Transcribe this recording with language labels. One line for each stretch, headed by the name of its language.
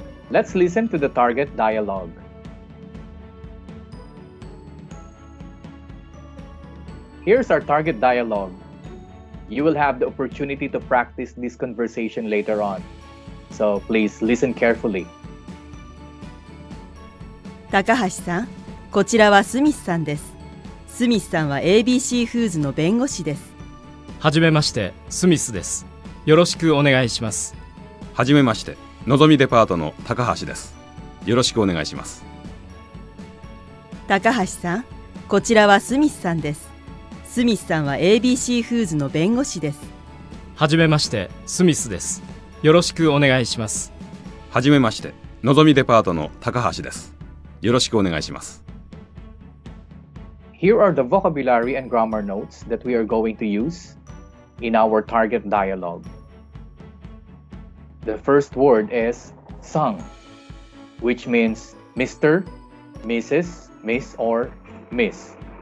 English: Let's listen to the target dialogue. Here's our target dialogue. You will have the opportunity to practice this conversation later on. So please listen carefully.
Japanese: 高橋さん、こちらはスミスさんです。スミスさんは ABC フーズの弁護士です。はじめまして、スミスです。よろしくお願いします。はじめまして、のぞみデパートの高橋です。よろしくお願いします。高橋さん、こちらはスミスさんです。スミスさんは ABC フーズの弁護士です。はじめまして、スミスです。よろしくお願いします。はじめまして、のぞみデパートの高橋です。よろしくお願いします。
English: Here are the vocabulary and grammar notes that we are going to use in our target dialogue. The first word is san, which means Mr., Mrs., Miss, or Miss.